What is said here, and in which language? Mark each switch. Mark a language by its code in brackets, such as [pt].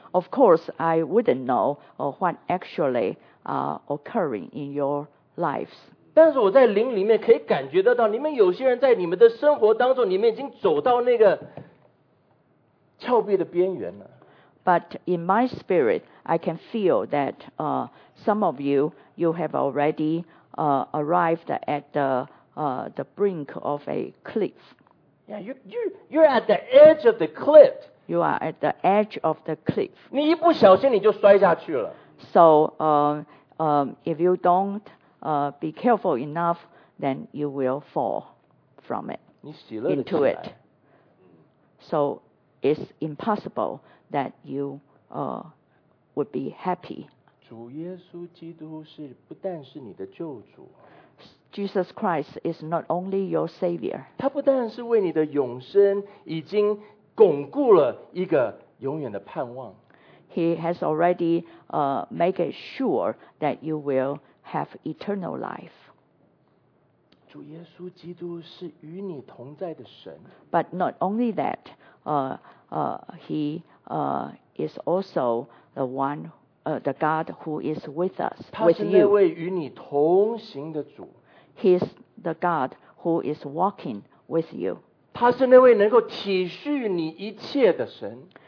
[en] Of course, I wouldn't know what actually occurring in your lives. [zh] 但是我在灵里面可以感觉得到，你们有些人在你们的生活当中，你们已经走到那个峭壁的边缘了。 [en] But in my spirit, I can feel that some of you, you have already arrived at the brink of a cliff. Yeah, you're at the edge of the cliff. You are at the edge of the cliff. [zh] 你一不小心你就摔下去了。 [en] So if you don't be careful enough, then you will fall from it, into it. So it's impossible that you would be happy. [zh] 主耶稣基督是不但是你的救主。 [en] Jesus Christ is not only your Savior. [zh] 他不但是为你的永生已经巩固了一个永远的盼望。 [en] He has already made it sure that you will have eternal life. [zh] 主耶稣基督是与你同在的神。 [en] But not only that, he is also the one, the God who is with us, with you. [zh] 他是那位与你同行的主。 [en] He is the God who is walking with you. [zh] 他是那位能够体恤你一切的神。